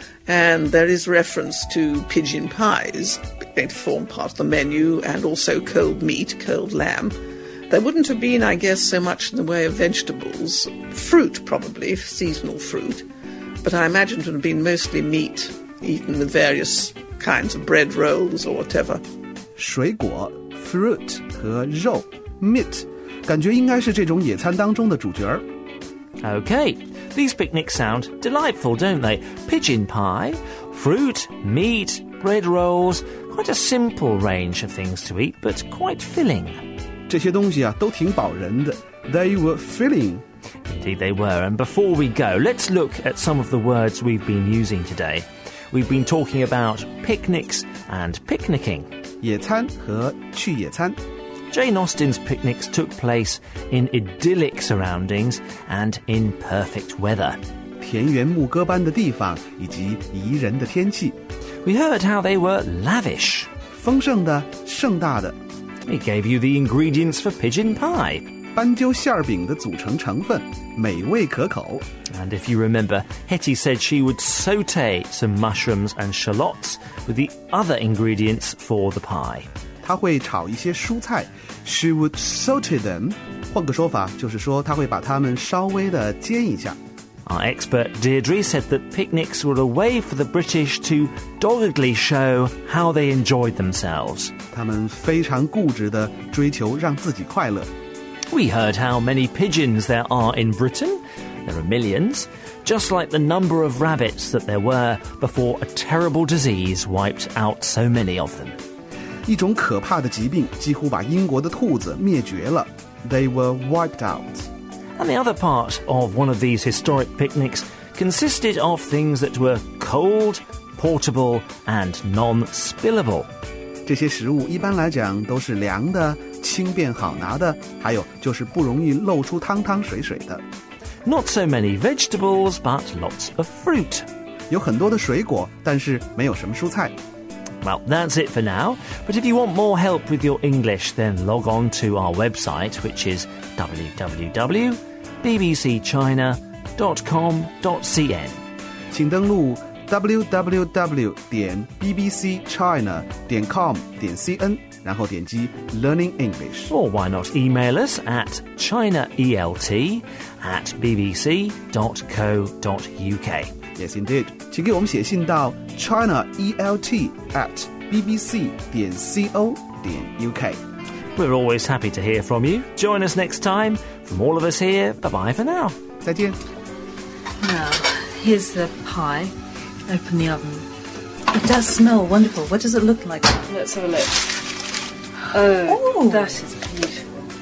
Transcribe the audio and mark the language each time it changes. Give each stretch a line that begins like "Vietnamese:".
English: And there is reference to pigeon pies. They form part of the menu and also cold meat, cold lamb. There wouldn't have been, I guess, so much in the way of vegetables. Fruit, probably, seasonal fruit. But I imagine it would have been mostly meat, eaten with various kinds of bread rolls or whatever.
Chinese: 水果 fruit 和肉 meat, 感觉应该是这种野餐当中的主角。
English: Okay, these picnics sound delightful, don't they? Pigeon pie, fruit, meat, bread rolls, quite a simple range of things to eat, but quite filling.
Chinese: 这些东西啊都挺饱人的
English: They were filling Indeed they were And before we go Let's look at some of the words we've been using today We've been talking about picnics and picnicking
Chinese: 野餐和去野餐
English: Jane Austen's picnics took place in idyllic surroundings And in perfect weather
Chinese: 田园牧歌般的地方以及宜人的天气。
English: We heard how they were lavish.
Chinese: 丰盛的，盛大的。
English: It gave you the ingredients for pigeon pie.
Chinese: 斑鸠馅饼的组成成分，美味可口。
English: And if you remember, Hetty said she would saute some mushrooms and shallots with the other ingredients for the pie.
Chinese: 她会炒一些蔬菜。
English: She would saute them.
Chinese: 换个说法，就是说她会把它们稍微的煎一下。
English: Our expert Deirdre said that picnics were a way for the British to doggedly show how they enjoyed themselves.
Chinese: 他们非常固执地追求让自己快乐。
English: We heard how many pigeons there are in Britain. There are millions, just like the number of rabbits that there were before a terrible disease wiped out so many of them.
Chinese: 一种可怕的疾病几乎把英国的兔子灭绝了。
English: They were wiped out. And the other part of one of these historic picnics consisted of things that were cold, portable, and non-spillable.
Chinese: 这些食物一般来讲都是凉的，轻便好拿的，还有就是不容易漏出汤汤水水的。
English: Not so many vegetables, but lots of fruit.
Chinese: 有很多的水果，但是没有什么蔬菜。
English: Well, that's it for now. But if you want more help with your English, then log on to our website, which is www.bbcchina.com.cn.
Chinese: 请登录 www.bbcchina.com.cn, 然后点击 Learning English.
English: Or why not email us at chinaelt@bbc.co.uk. Yes, indeed.
Chinese: 请给我们写信到 chinaelt@bbc.co.uk.
English: We're always happy to hear from you. Join us next time. From all of us here, bye-bye for now.
Chinese: 再见。
English: Now, here's the pie. Open the oven. It does smell wonderful. What does it look like? Let's have a look. Oh, that is beautiful.